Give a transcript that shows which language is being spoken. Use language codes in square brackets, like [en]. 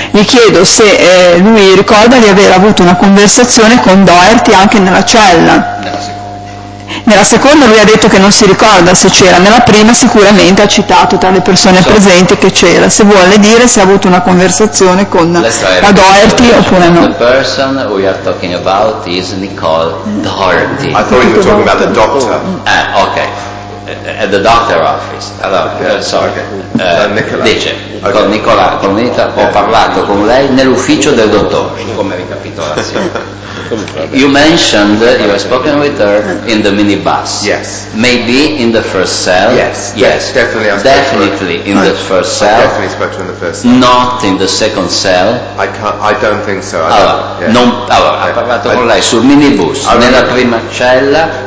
[it] Gli chiedo se lui ricorda di aver avuto una conversazione con Doherty anche nella cella. Nella seconda lui ha detto che non si ricorda se c'era, nella prima sicuramente ha citato tra le persone presenti che c'era. Se vuole dire se ha avuto una conversazione con la Doherty oppure no. [en] The person we are talking about is Nicole Doherty. I thought you were talking about the doctor. Okay. at the doctor office. [it] Allora, dice, okay. Con Nicola, con Nita, ho parlato con lei nell'ufficio del dottore. Come ricapitolazione. [en] You mentioned that you have spoken with her in the minibus. Yes. Maybe in the first cell. Yes. Yes. Definitely. Definitely in the first cell. I definitely spoke to her in the first cell. Not in the second cell. I can't. I don't think so. [it] Allora, ha parlato con lei sul minibus nella prima cella.